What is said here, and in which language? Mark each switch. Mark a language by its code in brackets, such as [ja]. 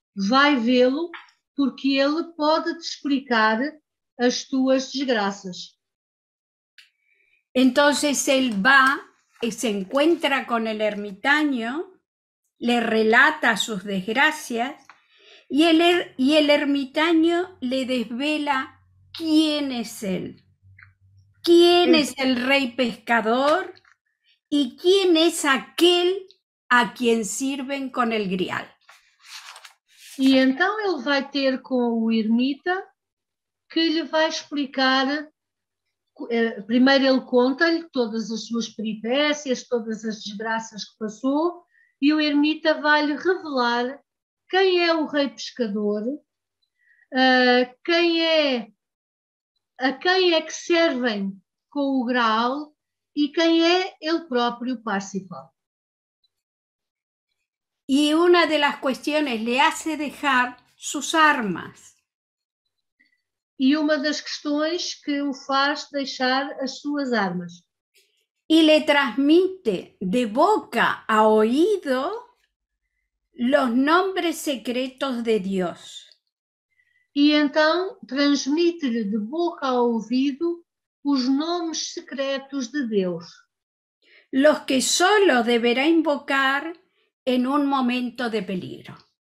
[pt] vai vê-lo, porque ele pode te explicar as tuas desgraças. Então ele vai e se encontra com o ermitaño, [es] le relata [pt] suas desgraças, e o ermitaño [es] le desvela [pt] quem é ele. [es] ¿Quién es el rey pescador y quién es aquel a quien sirven con el grial? Y entonces él va a tener con el ermita que le va a explicar, primero él cuenta todas las sus peripecias, todas las desgracias que pasó, y el ermita va a revelar quién es el rey pescador, quién es... [pt] a quem é que servem com o Graal e quem é ele próprio Parsifal. E uma das questões lhe hace deixar suas armas. E uma das questões que o faz deixar as suas armas. E lhe transmite de boca a ouvido os nomes secretos de Deus. E então transmite-lhe de boca ao ouvido os nomes secretos de Deus. [es] Los que solo deverá invocar en un momento de peligro.